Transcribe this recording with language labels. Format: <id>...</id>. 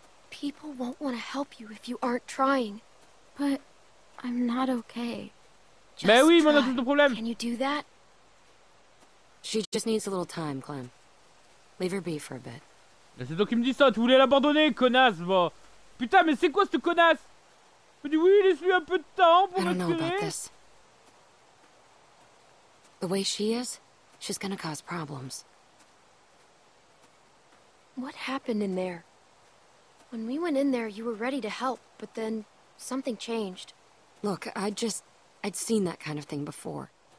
<en>People won't want to help you if you aren't trying, but I'm not okay.</en> <fr>Mais oui, mais on a tout le problème.</fr> <en>Can you do that? She just needs a little time, Clem. Leave her be for a bit.</en> <fr>Mais c'est toi qui me dis ça, tu voulais l'abandonner, connasse, bon. Putain, mais c'est quoi cette connasse? Je dis oui, laisse-lui un peu de temps pour respirer.</fr> <en>I don't know about this. The way she is, she's gonna cause problems. What happened in there? When we went in there, you were ready to help, but then something changed. Look, I'd seen that kind of thing before.</en>